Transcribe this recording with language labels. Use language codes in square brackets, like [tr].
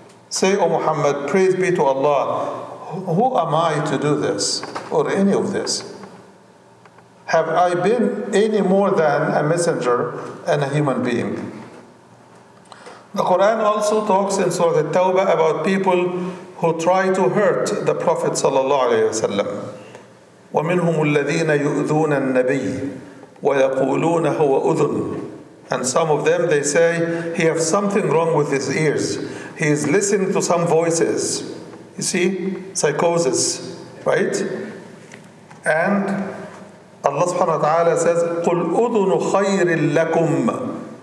[en] Say, O Muhammad, praise be to Allah, who am I to do this or any of this? Have I been any more than a messenger and a human being? The Quran also talks in Surah At-Tawbah about people who try to hurt the Prophet sallallahu alaihi wasallam. [ar] ومنهم الذين يؤذون النبي ويقولون هو أذن. [en] And some of them, they say, he has something wrong with his ears. He is listening to some voices. You see, psychosis, right? And Allah subhanahu wa ta'ala says, [ar] قل أذن خير لكم.